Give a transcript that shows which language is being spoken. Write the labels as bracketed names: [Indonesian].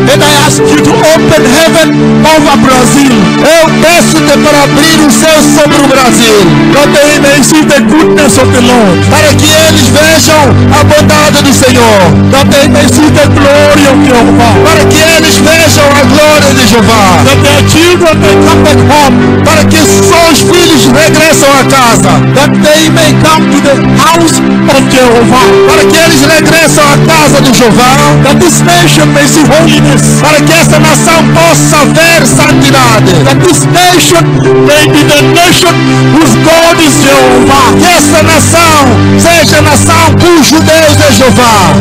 [English] And I ask you to open heaven over Brazil. [Portuguese] Eu peço-te para abrir o céu sobre o Brasil. [English] That they may see the goodness of the Lord. [Portuguese] Para que eles vejam a bondade do Senhor. [English] That they may see the glory of Jehovah. [Portuguese] Para que eles vejam a glória de Jeová. [English] That their children may come back home. [Portuguese] Para que seus filhos regressem à casa. [English] That they may come to the house of Jehovah. [Portuguese] Para que eles regressem à casa de Jeová. [English] That this nation may see holiness. [Portuguese] Para que essa nação possa ver santidade. [English] That this nation may be the nation whose God is Jehovah. [Portuguese] Que essa nação seja a nação cujo Deus é Jeová.